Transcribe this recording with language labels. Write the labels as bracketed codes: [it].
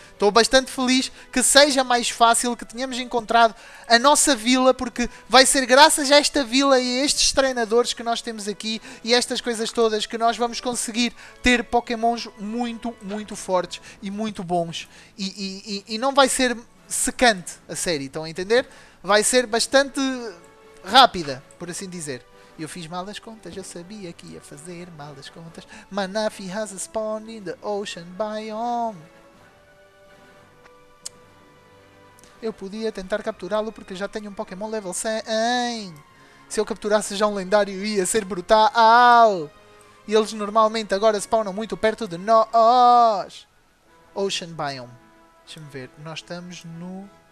[pt] Estou bastante feliz que seja mais fácil, que tenhamos encontrado a nossa vila, porque vai ser graças a esta vila e a estes treinadores que nós temos aqui e estas coisas todas que nós vamos conseguir ter pokémons muito, muito fortes e muito bons. E não vai ser secante a série, estão a entender? Vai ser bastante rápida, por assim dizer. Eu fiz mal as contas, eu sabia que ia fazer mal as contas. [en] Manaphy has spawned in the ocean biome. [pt] Eu podia tentar capturá-lo porque já tenho um Pokémon level 100. Se eu capturasse já um lendário, ia ser brutal. E eles normalmente agora spawnam muito perto de nós. Ocean biome. Deixa-me ver, nós estamos no...